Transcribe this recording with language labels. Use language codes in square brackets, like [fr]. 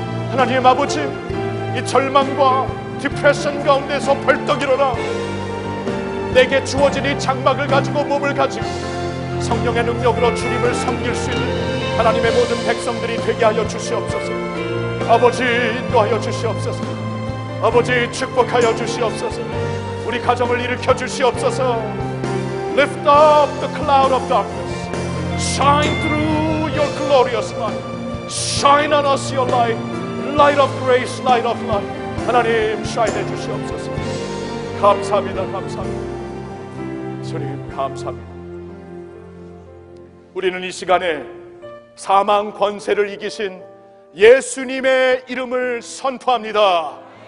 [ko] 하나님 아버지, 이 절망과 디프레션 가운데서 벌떡 일어나 내게 주어진 이 장막을 가지고, 몸을 가지고 성령의 능력으로 주님을 섬길 수 있는 하나님의 모든 백성들이 되게 하여 주시옵소서. 아버지, 인도하여 주시옵소서. 아버지, 축복하여 주시옵소서. 우리 가정을 일으켜 주시옵소서. [en] Lift up the cloud of darkness. Shine through your glorious light. Shine on us your light. Light of grace, light of life. [ko] 하나님, shine 해주시옵소서. 감사합니다, 감사합니다. 주님, 감사합니다. 우리는 이 시간에 사망 권세를 이기신 예수님의 이름을 선포합니다.